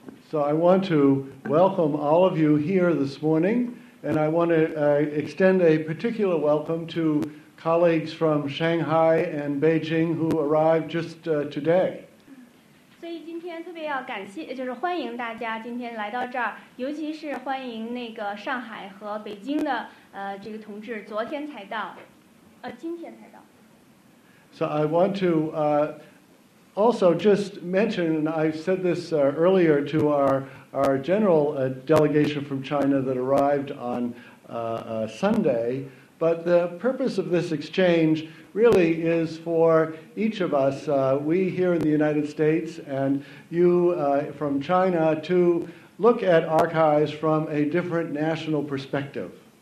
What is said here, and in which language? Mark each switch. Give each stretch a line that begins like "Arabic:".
English: So I want to welcome all of you here this morning, and I want to extend a particular welcome to colleagues from Shanghai and Beijing who arrived just today.
Chinese: 所以今天特别要感谢，就是欢迎大家今天来到这儿，尤其是欢迎那个上海和北京的这个同志，昨天才到，今天才到。
English: So I want to also just mention, and I said this earlier to our general delegation from China that arrived on Sunday, but the purpose of this exchange really is for each of us, we here in the United States and you from China, to look at archives from a different national perspective.